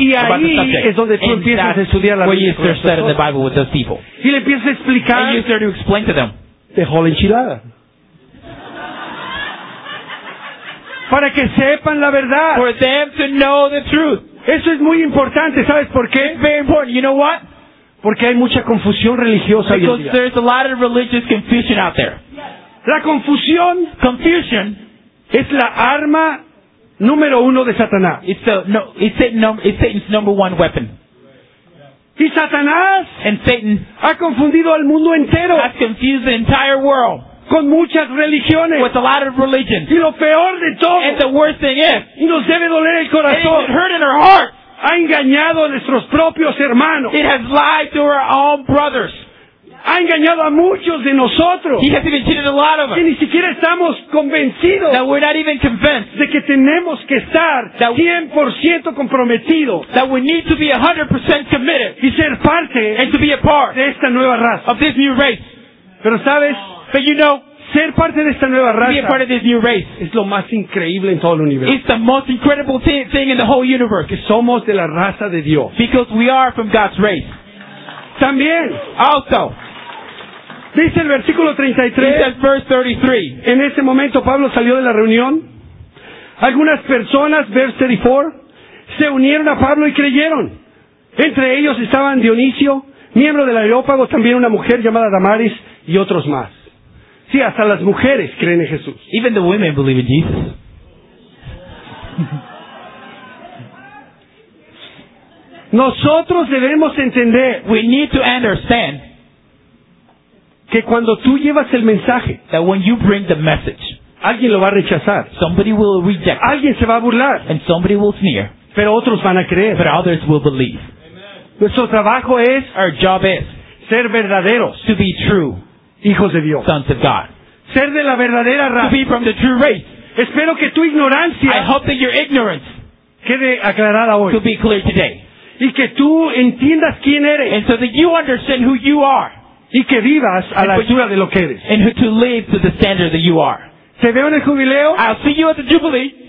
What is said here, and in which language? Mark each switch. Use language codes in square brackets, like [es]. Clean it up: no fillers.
[es] Y ahí es donde tú empiezas a estudiar la Biblia. [en] The Bible with those people. [es] Y le empiezas a explicar. [en] And you start to explain to them. [es] Dejó la enchilada. Para que sepan la verdad. [en] For them to know the truth. [es] Eso es muy importante, ¿sabes por qué? [en] It's very important. You know what? [es] Porque hay mucha confusión religiosa [en] because [es] hoy en día. [en] There's a lot of religious confusion out there. [es] La confusión, [en] confusion, [es] es la arma número uno de Satanás. [en] It's Satan's number one weapon. [es] Y Satanás, [en] and Satan, [es] ha confundido al mundo entero. [en] Has confused the entire world. [es] Con muchas religiones. [en] With a lot of religions. [es] Y lo peor de todo. [en] And the worst thing is. [es] Y nos debe doler el corazón. [en] It hurt in our heart. [es] Ha engañado a nuestros propios hermanos. [en] It has lied to our own brothers. [es] Ha engañado a muchos de nosotros. [en] He has even cheated a lot of us. [es] Que ni siquiera estamos convencidos. [en] That we're not even convinced. [es] De que tenemos que estar 100% comprometidos. [en] That we need to be 100% committed. [es] Y ser parte. [en] And to be a part. [es] De esta nueva raza. [en] Of this new race. [es] Pero sabes. [en] But you know, [es] ser parte de esta nueva raza, [en] be a part of this new race, [es] es lo más increíble en todo el universo. [en] It's the most incredible thing in the whole universe. [es] Que somos de la raza de Dios. [en] Because we are from God's race. [es] También. [en] Also. [es] Dice el versículo 33. [en] It says verse 33. [es] En ese momento Pablo salió de la reunión. Algunas personas, [en] verse 34, [es] se unieron a Pablo y creyeron. Entre ellos estaban Dionisio, miembro del Areópago, también una mujer llamada Damaris y otros más. Sí, hasta las mujeres creen en Jesús. [en] Even the women believe in Jesus. [es] Nosotros debemos entender. [en] We need to understand. [es] Que cuando tú llevas el mensaje. [en] That when you bring the message. [es] Alguien lo va a rechazar. [en] Somebody will reject. [es] Alguien se va a burlar. [en] And somebody will sneer. [es] Pero otros van a creer. [en] But others will believe. [es] Amen. Nuestro trabajo es. [en] Our job is. [es] Ser verdaderos. [en] To be true. [es] Hijos de Dios. [en] Sons of God. [es] Ser de la verdadera raza. [en] To be from the true race. [es] Espero que tu ignorancia. [en] I hope that your ignorance. [es] Quede aclarada hoy. [en] To be clear today. [es] Y que tú entiendas quién eres. [en] And so that you understand who you are. [es] Y que vivas a la altura de lo que eres. [en] And to live to the standard that you are. [es] Te veo en el jubileo. [en] I'll see you at the jubilee.